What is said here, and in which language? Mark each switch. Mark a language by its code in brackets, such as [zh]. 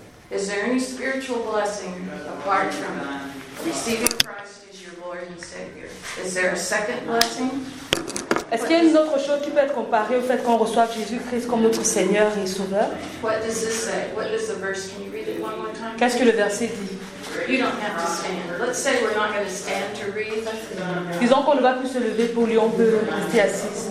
[en] Is there any spiritual blessing apart from receiving Christ as your Lord and Savior? Is there a second blessing? [fr] Est-ce qu'il y a une autre chose qui peut être comparée au fait qu'on reçoive Jésus-Christ comme notre Seigneur et Sauveur? [en] What does this say? What does the verse? Can you read it one more time? [fr] Qu'est-ce que le verset dit? [en] You don't have to stand. Let's say we're not going to stand to read. [fr] Disons qu'on ne va plus se lever pour lui, on peut rester assis.